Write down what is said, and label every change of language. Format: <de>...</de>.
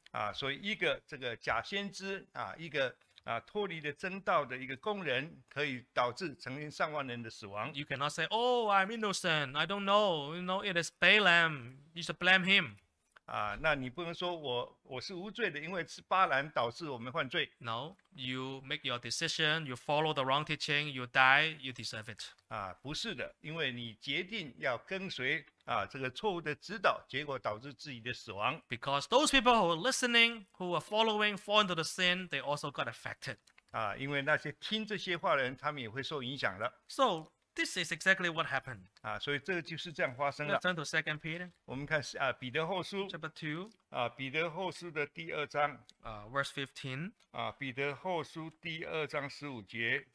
<zh>啊，所以一个这个假先知啊，一个啊脱离了真道的一个工人，可以导致成千上万人的死亡。</zh> <en>You cannot say, "Oh, I'm innocent. I don't know. You know, it is Balaam. You should blame him."</en> <zh>啊，那你不能说我是无罪的，因为是巴兰导致我们犯罪。</zh> <en>No. You make your decision, you follow the wrong teaching, you die, you deserve it.</en> <zh>啊，不是的，因为你决定要跟随啊这个错误的指导，结果导致自己的死亡。</zh> <en>Because those people who are listening, who are following, fall into the sin, they also got affected.</en> <zh>啊，因为那些听这些话的人，他们也会受影响的。</zh> <en>So this is exactly what happened.</en> <zh>啊，所以这个就是这样发生了。</zh> <en>Let's turn to 2 Peter.</en> <zh>我们看啊彼得后书。</zh> <en>Chapter 2.</en> <zh>啊，彼得后书的第二章。</zh> <en>Verse 15.</en> <zh>啊，彼得后书第二章十五节。</zh>